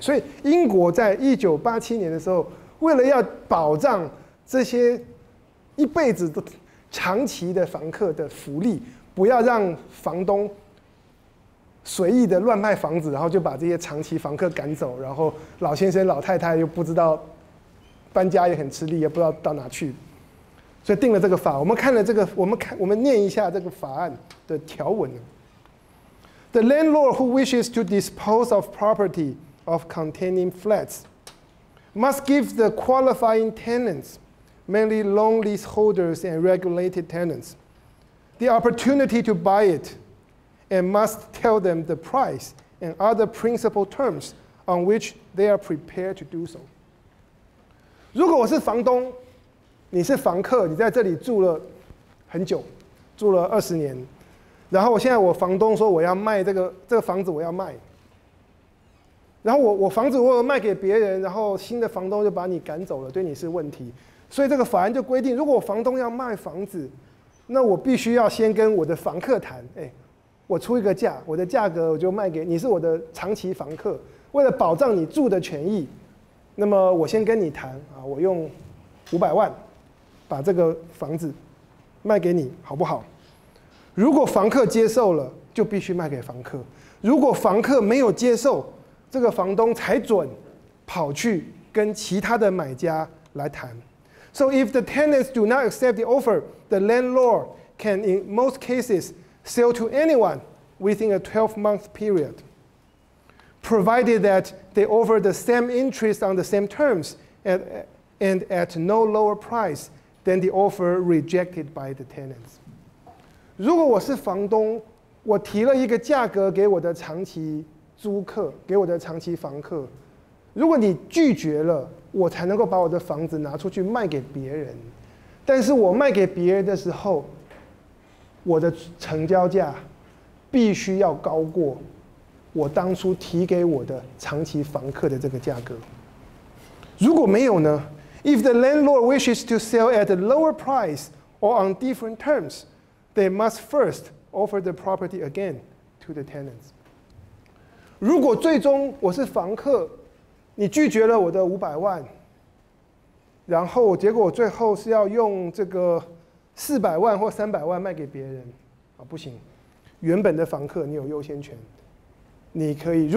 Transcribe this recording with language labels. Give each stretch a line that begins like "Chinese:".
Chinese: 所以英国在1987年的时候，为了要保障这些一辈子都长期的房客的福利，不要让房东随意的乱卖房子，然后就把这些长期房客赶走，然后老先生老太太又不知道搬家也很吃力，也不知道到哪去，所以定了这个法。我们看了这个，我们念一下这个法案的条文。
English: The landlord who wishes to dispose of property of containing flats must give the qualifying tenants, mainly long leaseholders and regulated tenants, the opportunity to buy it, and must tell them the price and other principal terms on which they are prepared to do so.
Chinese: 如果我是房东，你是房客，你在这里住了很久，住了20年。然后我现在我房东说我要卖这个房子，我要卖。然后我房子我有卖给别人，然后新的房东就把你赶走了，对你是问题。所以这个法案就规定，如果我房东要卖房子，那我必须要先跟我的房客谈，哎，我出一个价，我的价格我就卖给你，是我的长期房客，为了保障你住的权益，那么我先跟你谈啊，我用500万把这个房子卖给你，好不好？如果房客接受了，就必须卖给房客；如果房客没有接受，这个房东才准跑去跟其他的买家来谈。
English: So if the tenants do not accept the offer, the landlord can, in most cases, sell to anyone within a 12-month period, provided that they offer the same interest on the same terms and at no lower price than the offer rejected by the tenants.
Chinese: 如果我是房东，我提了一个价格给我的长期租客，给我的长期房客，如果你拒绝了，我才能够把我的房子拿出去卖给别人。但是我卖给别人的时候，我的成交价必须要高过我当初提给我的长期房客的这个价格。如果没有呢？
English: If the landlord wishes to sell at a lower price or on different terms,They must first offer the property again to the tenants.
Chinese: 如果最终我是房客，你拒绝了我的500万，然后结果我最后是要用这个400万或300万卖给别人，啊，不行，原本的房客你有优先权，你可以。